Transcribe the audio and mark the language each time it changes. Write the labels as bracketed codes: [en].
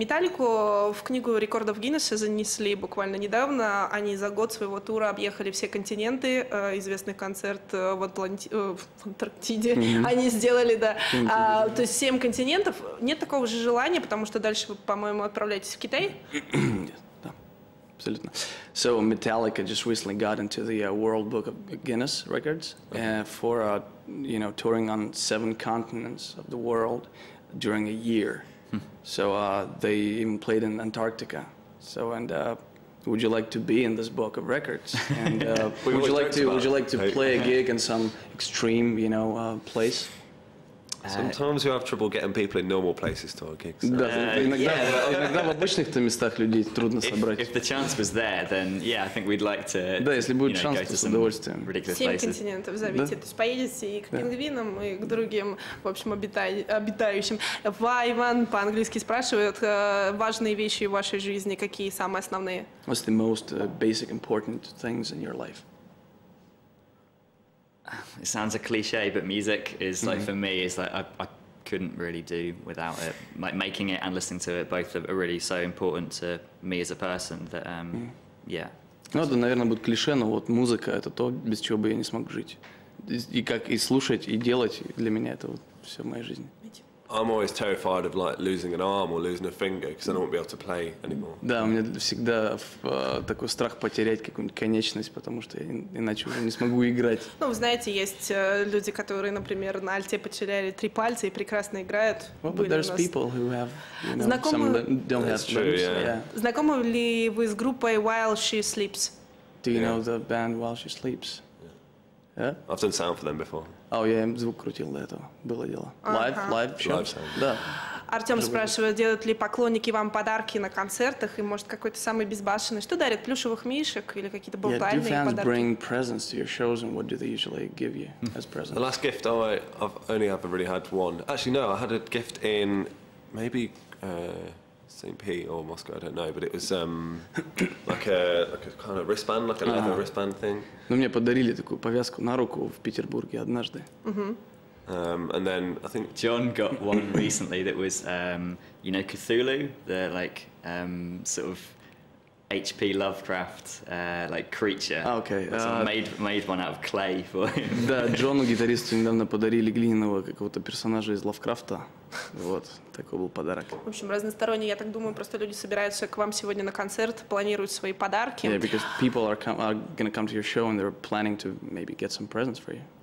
[ru] Металлику в книгу рекордов Гиннесса занесли буквально недавно. Они за год своего тура объехали все континенты. Известный концерт в Антарктиде они сделали, да. То есть 7 континентов. Нет такого же желания, потому что дальше вы, по-моему, отправляетесь в Китай? Нет, да, абсолютно. [en] So Metallica just recently got into the World Book of Guinness Records for, you know, touring on 7 continents of the world during a year. So they even played in Antarctica. So would you like to be in this book of records? And would you like to play a gig in some extreme, you know, place? Sometimes we have trouble getting people in normal places to our gigs. [ru] Да, иногда в обычных-то местах людей трудно собрать. [en] If the chance was there, then yeah, I think we'd like to. [ru] Да, если будет шанс, то с удовольствием. 7 континентов зовите, то есть поедете и к пингвинам, и к другим, в общем, обитающим. Иван по-английски спрашивает, важные вещи в вашей жизни какие самые основные? [en] What's the most basic important things in your life? It sounds a cliche, but music is like for me. It's like I couldn't really do without it. Like making it and listening to it both are really so important to me as a person. That yeah. [ru] Ну это, наверное, будет клише, но вот музыка это то, без чего бы я не смог жить. И как и слушать и делать для меня это вот все моя жизнь. [en] I'm always terrified of like losing an arm or losing a finger because I won't be able to play anymore. [ru] Да, у меня всегда такой страх потерять какую-нибудь конечность, потому что иначе уже не смогу играть. Ну, вы знаете, есть люди, которые, например, на альте потеряли три пальца и прекрасно играют. [en] But there's people who have, you know, some don't have. [ru] Знакомы ли вы с группой While She Sleeps? [en] Do you know the band While She Sleeps? Yeah. I've done sound for them before. [ru] О, я им звук крутил до этого. Было дело. [en] Live, live show. [ru] Да. Артём спрашивает, делают ли поклонники вам подарки на концертах, и может какой-то самый безбашенный. Что дарят, плюшевых мишек или какие-то болтальные подарки? [en] Yeah, do fans bring presents to your shows, and what do they usually give you as presents? The last gift I've only ever really had one. Actually, no, I had a gift in maybe St. Pete or Moscow, I don't know, but it was like a kind of wristband, like a leather wristband thing. [ru] Ну, мне подарили такую повязку на руку в Петербурге однажды. [en] And then I think John got one recently that was, you know, Cthulhu, the like sort of H.P. Lovecraft like creature. Okay. Made one out of clay for him. [ru] Да, Джону, гитаристу, недавно подарили глиняного какого-то персонажа из Лавкрафта. Вот, такой был подарок. В общем, разносторонний, я так думаю, просто люди собираются к вам сегодня на концерт, планируют свои подарки. [en] Yeah, because people are going to come to your show and they're planning to maybe get some presents for you.